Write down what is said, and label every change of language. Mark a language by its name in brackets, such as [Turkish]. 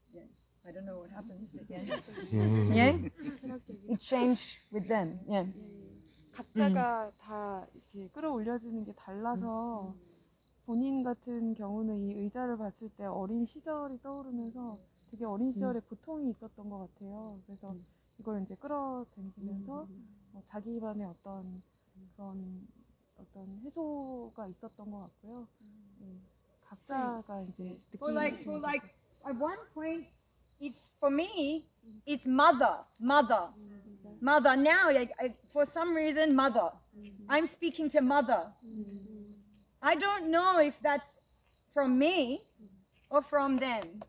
[English] Yeah. I don't know what happens, but yeah. Yeah? It changed with them. Yeah. [Korean] 각자가 다 이렇게 끌어올려지는 게 달라서 본인 같은 경우는 이 의자를 봤을 때 어린 시절이 떠오르면서 되게 어린 시절에 고통이 있었던 것 같아요. 그래서 이걸 이제 끌어당기면서 뭐 자기만의 어떤 그런 어떤 해소가 있었던 것 같고요. 각자가 이제 [English] for like at one point it's for me it's mother. Mother, now, for some reason, mother. Mm-hmm. I'm speaking to mother. Mm-hmm. I don't know if that's from me or from them.